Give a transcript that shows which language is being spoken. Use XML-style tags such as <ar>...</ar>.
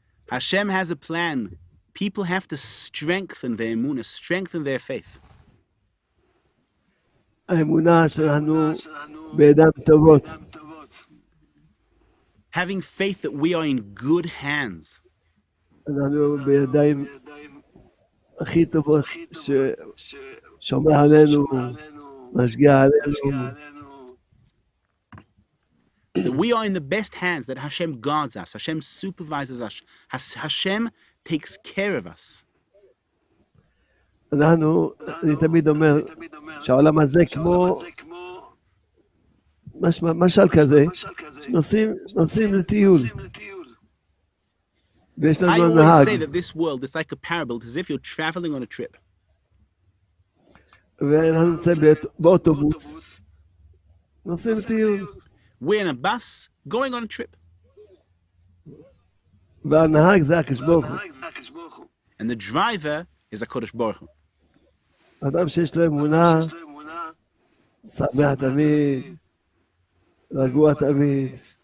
<en>Hashem has a plan. People have to strengthen their emunah, strengthen their faith.</en> <he>האמונה שלנו בידיים טובות.</he> <en>Having faith that we are in good hands.</en> <he>אנחנו בידיים הכי טובות ששומר עלינו, משגיח עלינו.</he> <en>That we are in the best hands, that Hashem guards us, Hashem supervises us, Hashem takes care of us.</en> <he>אנחנו, אני תמיד אומר שהעולם הזה כמו משל כזה, נוסעים לטיול. ויש לנו נהג.</he> <en>I always say that this world is like a parable, as if you're traveling on a trip.</en> <he>ואנחנו נוסעים באוטובוס, נוסעים לטיול.</he> <en>We're in a bus going on a trip.</en> <he>והנהג זה הקדוש ברוך הוא.</he> <en>And the driver is a Kodesh Baruch Hu.</en> <he>אדם שיש לו אמונה, שמח תמיד, רגוע תמיד.</he>